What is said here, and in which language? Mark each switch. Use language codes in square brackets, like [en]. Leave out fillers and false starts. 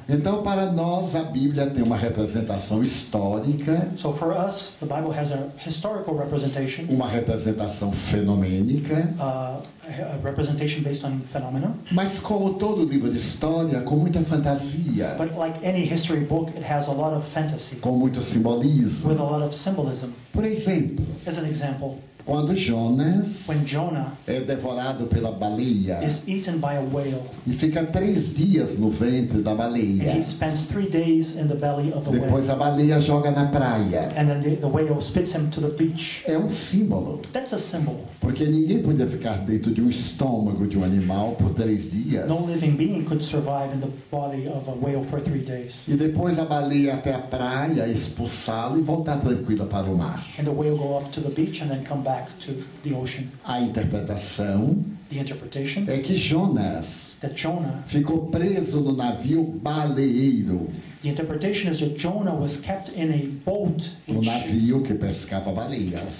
[pt] Então, para nós, a Bíblia tem uma representação histórica. [en] So for us, the Bible has a historical representation. [pt] Uma representação fenomênica. [en] A representation based on phenomena. [pt] Mas como todo livro de história, com muita fantasia. [en] But like any history book, it has a lot of fantasy. [pt] Com muito simbolismo. [en] With a lot of symbolism. [pt] Por exemplo. [en] As an example. [pt] Quando Jonas, [en] when Jonah, [pt] é devorado pela baleia, [en] is eaten by a whale, [pt] e fica 3 dias no ventre da baleia, [en] and he spends 3 days in the belly of the [pt] depois [en] whale, [pt] a baleia joga na praia, [en] and then the whale spits him to the beach, [pt] é um símbolo. [en] That's a symbol. [pt] Porque ninguém podia ficar dentro de um estômago de um animal por 3 dias. [en] No living being could survive in the body of a whale for 3 days. [pt] E depois a baleia até a praia expulsá-lo e voltar tranquila para o mar. [en] And the whale go up to the beach and then come back to the ocean. [pt] A interpretação, [en] the interpretation, [pt] é que Jonas, [en] that Jonah, [pt] ficou preso no navio baleeiro. [en] The interpretation is that Jonah was kept in a boat, [pt] um navio que pescava baleias,